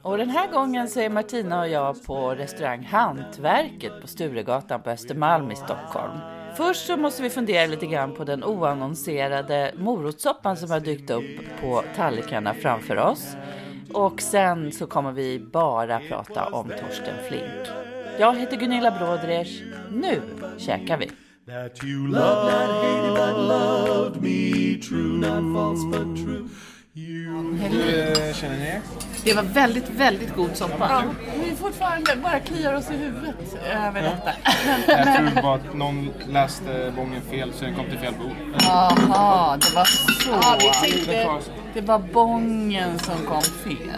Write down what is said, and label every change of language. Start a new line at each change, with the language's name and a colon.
Swedish: Och den här gången så är Martina och jag på restaurang Hantverket på Sturegatan på Östermalm i Stockholm. Först så måste vi fundera lite grann på den oannonserade morotssoppan som har dykt upp på tallrikarna framför oss. Och sen så kommer vi bara prata om Torsten Flink. Jag heter Gunilla Brodrej. Nu käkar vi.
English: That you loved, not hated, but loved me true. Not false, but true.
Swedish: Känner ni? Det var väldigt, väldigt god soppa. Ja, vi fortfarande bara kliar oss i huvudet över detta. Jag tror bara att någon läste bången fel så den kom till fel bord. Jaha, det var så. Ja, vi tänkte, det var bången som kom fel.